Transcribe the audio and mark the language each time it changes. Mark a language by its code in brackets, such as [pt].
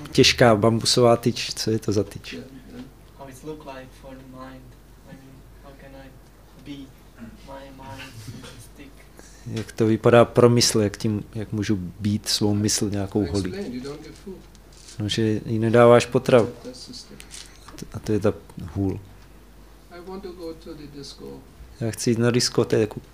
[cs] těžká bambusová tyč, co je to za tyč? [en] Yeah. Look like for the mind. How can I be my mind with a stick? [cs] Jak to vypadá pro mysl, jak můžu být svou mysl nějakou holí? No, že jí nedáváš potravu. A to je ta hůl. [en] I want to go to the disco. [cs] Já chci jít na diskotéku.